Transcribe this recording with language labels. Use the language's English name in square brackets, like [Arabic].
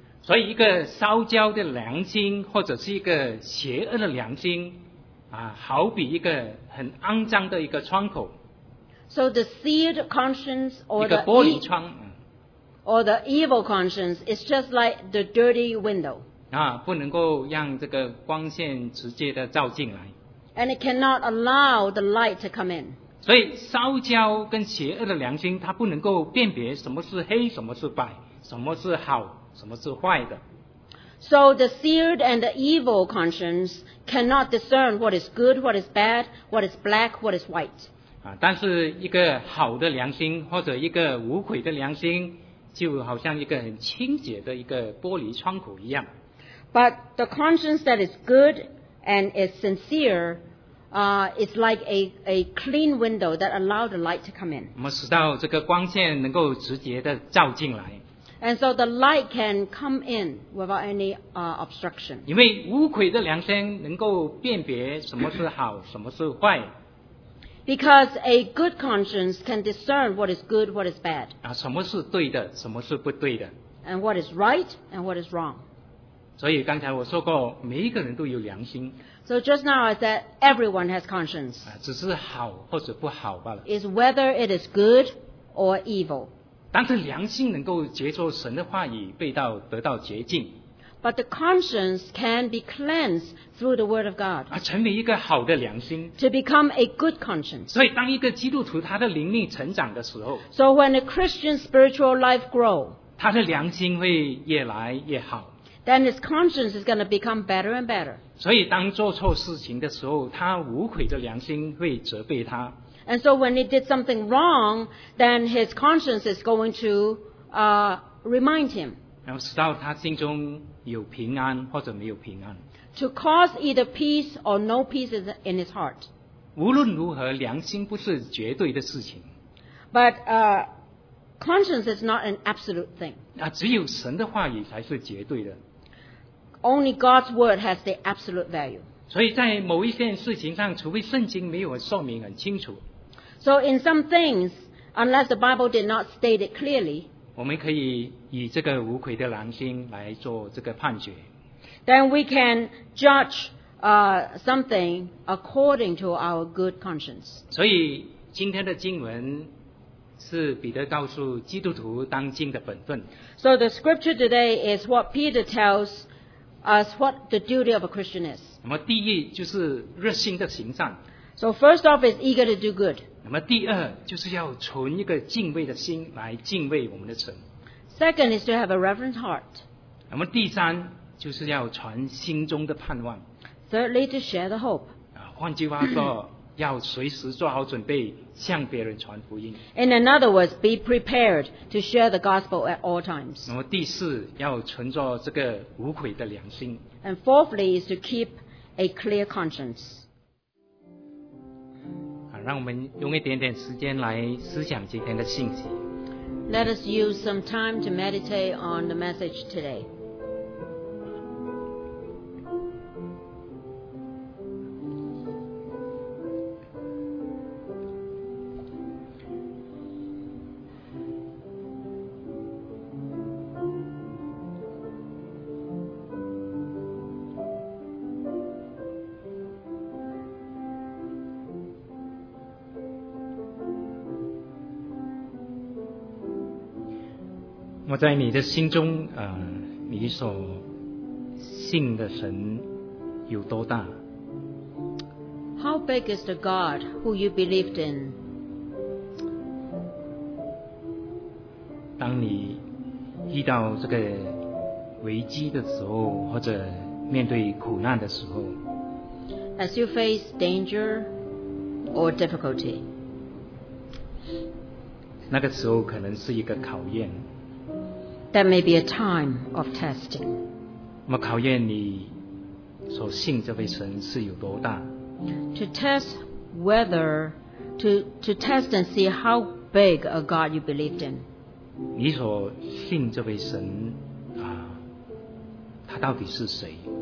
[Chinese] 所以一个烧焦的良心或者是一个邪恶的良心啊，好比一个很肮脏的一个窗口。 [English] So the seared conscience or [Chinese] 一个玻璃窗 [English] or the evil conscience is just like the dirty window. [Chinese] 啊，不能够让这个光线直接的照进来。 [English] And it cannot allow the light to come in. [Chinese] 所以烧焦跟邪恶的良心，它不能够辨别什么是黑，什么是白，什么是好，什么是坏的。 [English] So the seared and the evil conscience cannot discern what is good, what is bad, what is black, what is white. [Chinese] 啊，但是一个好的良心或者一个无悔的良心，就好像一个很清洁的一个玻璃窗口一样。 [English] But the conscience that is good and is sincere. It's like a clean window that allows the light to come in. [Chinese] 那么使到这个光线能够直接的照进来。 [English] And so the light can come in without any obstruction. [Chinese] 因为无愧的良心能够辨别什么是好，什么是坏。 [English] Because a good conscience can discern what is good, what is bad. [Chinese] 啊，什么是对的，什么是不对的。 [English] And what is right and what is wrong. [Chinese] 所以刚才我说过，每一个人都有良心。 [English] So just now I said everyone has conscience. [Chinese] 只是好或者不好罢了。 [English] Is whether it is good or evil. [Chinese] 但是良心能够接受神的话语，被到得到洁净。 [English] But the conscience can be cleansed through the word of God. [Chinese] 成为一个好的良心。 [English] To become a good conscience. [Chinese] 所以当一个基督徒他的灵命成长的时候。 [English] So when a Christian spiritual life grow. [Chinese] 他的良心会越来越好。 [English] Then his conscience is going to become better and better. [Chinese] 所以当做错事情的时候，他无悔的良心会责备他。 [English] And so when he did something wrong, then his conscience is going to remind him. [Chinese] 然后使到他心中有平安或者没有平安。 [English] To cause either peace or no peace in his heart. [Chinese] 无论如何，良心不是绝对的事情。 [English] But conscience is not an absolute thing. [Chinese] 只有神的话语才是绝对的。 [English] Only God's word has the absolute value. [Chinese] 所以在某一件事情上，除非圣经没有说明很清楚。 [English] So in some things, unless the Bible did not state it clearly, [Chinese] 我们可以以这个无愧的良心来做这个判决。 [English] Then we can judge something according to our good conscience. [Chinese] 所以今天的经文是彼得告诉基督徒当今的本分。 [English] So the scripture today is what Peter tells. As what the duty of a Christian is. [Chinese] 那么第一就是热心的行善。 [English] So first off is eager to do good. [Chinese] 那么第二就是要存一个敬畏的心来敬畏我们的神。 [English] Second is to have a reverent heart. [Chinese] 那么第三就是要传心中的盼望。 [English] Thirdly, to share the hope. [Chinese] 换句话说，要随时做好准备向别人传福音。 [English] In another words, be prepared to share the gospel at all times. [Chinese] 那么第四，要存着这个无愧的良心。 [English] And fourthly is to keep a clear conscience. [Chinese] 让我们用一点点时间来思想今天的信息。 [English] Let us use some time to meditate on the message today. [Chinese] 我在你的心中你所信的神有多大？ [English] How big is the God who you believed in? [Chinese] 当你遇到这个危机的时候，或者面对苦难的时候， [English] As you face danger or difficulty, [Chinese] 那个时候可能是一个考验。 [English] That may be a time of testing. [Chinese] 那么考验你所信这位神是有多大。 [English] To test and see how big a God you believed in. [Chinese] 你所信这位神啊，他到底是谁？